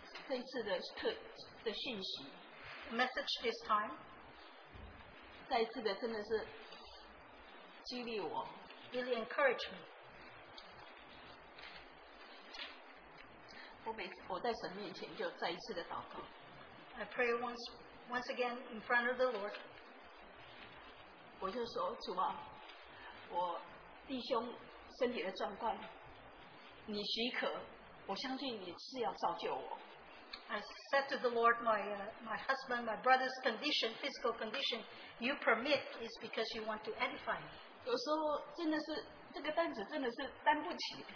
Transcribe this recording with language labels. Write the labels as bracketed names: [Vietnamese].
[Chinese] 这次的课的信息 [English] ，message this time， [Chinese] 再一次的真的是激励我 [English] ，really encourage me。 [Chinese] 我在神面前就再一次的祷告。 [English] I pray once again in front of the Lord. [Chinese] 我就说主啊，我弟兄身体的状况，你许可，我相信你是要造就我。 [English] I said to the Lord, my husband, my brother's condition, physical condition, you permit is because you want to edify me. [Chinese] 有时候真的是这个担子真的是担不起。